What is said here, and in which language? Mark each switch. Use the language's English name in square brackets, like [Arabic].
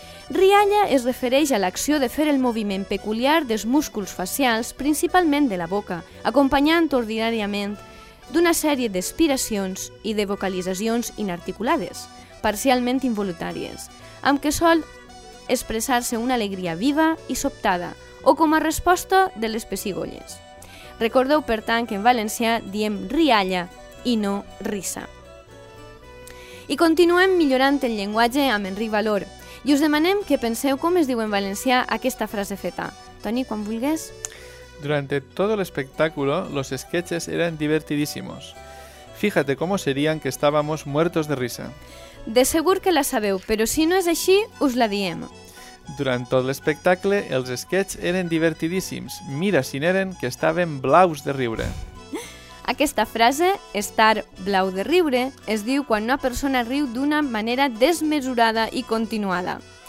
[Catalan] Rialla es refereix a l'acció de fer el moviment peculiar dels músculs facials, principalment de la boca, acompanyant ordinàriament d'una sèrie d'expiracions i de vocalitzacions inarticulades, parcialment involuntàries, amb què sol expressar-se una alegria viva i sobtada o com a resposta de les pessigolles. Recordeu, per tant, que en valencià diem rialla i no risa. I continuem millorant el llenguatge amb Enric Valor i us demanem que penseu com es diu en valencià aquesta frase feta. Toni, quan vulguis. [Spanish] Durante todo el espectáculo, los sketches eran divertidísimos. Fíjate cómo serían que estábamos muertos de risa. [Catalan] De segur que la sabeu, però si no és així, us la diem. Durant tot l'espectacle, els sketches eren divertidíssims. Mira si n'eren, que estaven blaus de riure. Aquesta frase, estar blau de riure, es diu quan una persona riu d'una manera desmesurada i continuada.